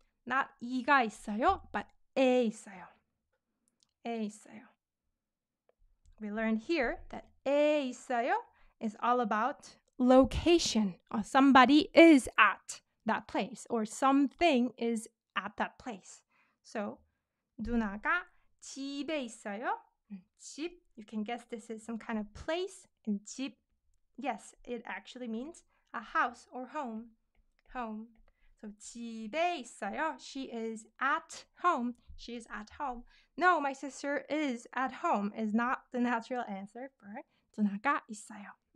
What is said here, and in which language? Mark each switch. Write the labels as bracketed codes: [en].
[en] Not [ko] 이가 있어요, [en] but [ko] 에 있어요. 에 있어요. [en] We learned here that [ko] 에 있어요 [en] is all about location. Or somebody is at that place or something is at that place. So [ko] 누나가 집에 있어요. [en] 집, you can guess this is some kind of place. And 집, yes, it actually means a house or home. Home. So [ko] 집에 있어요. [en] She is at home. She's at home. No, my sister is at home is not the natural answer for [ko] 누나가 있어요.